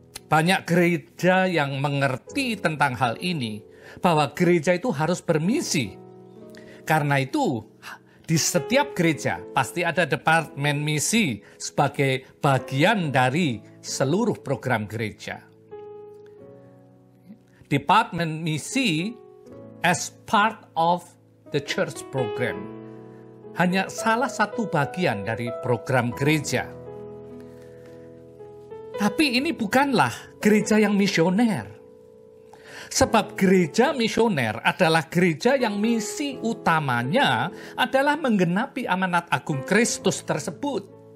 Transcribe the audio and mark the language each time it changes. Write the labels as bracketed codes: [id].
[id] Banyak gereja yang mengerti tentang hal ini, bahwa gereja itu harus bermisi. Karena itu, di setiap gereja pasti ada departemen misi sebagai bagian dari seluruh program gereja. Departemen misi [en] as part of the church program. [id] Hanya salah satu bagian dari program gereja. Tapi ini bukanlah gereja yang misioner. Sebab gereja misioner adalah gereja yang misi utamanya adalah menggenapi amanat agung Kristus tersebut.